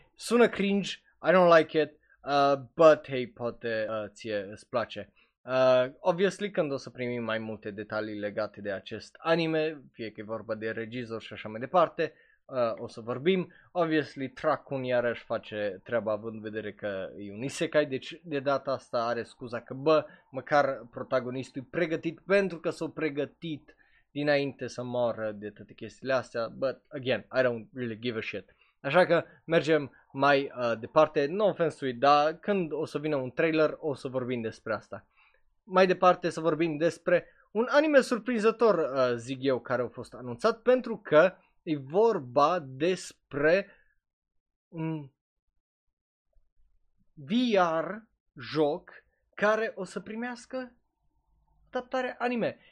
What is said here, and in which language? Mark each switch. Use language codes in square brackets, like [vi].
[ro] Sună cringe, [en] I don't like it. But hey, [ro] poate ție îți place. Obviously, când o să primim mai multe detalii legate de acest anime, fie că e vorba de regizor și așa mai departe, o să vorbim. Obviously, Trakun iarăși face treaba având în vedere că e un isekai, deci de data asta are scuza că, bă, măcar protagonistul e pregătit pentru că s-a pregătit dinainte să moară de toate chestiile astea. [en] But again, I don't really give a shit. [ro] Așa că mergem mai departe, [en] no offense to it, [ro] dar când o să vină un trailer o să vorbim despre asta. mai departe să vorbim despre un anime surprinzător, zic eu, care a fost anunțat, pentru că e vorba despre un VR joc care o să primească adaptare anime.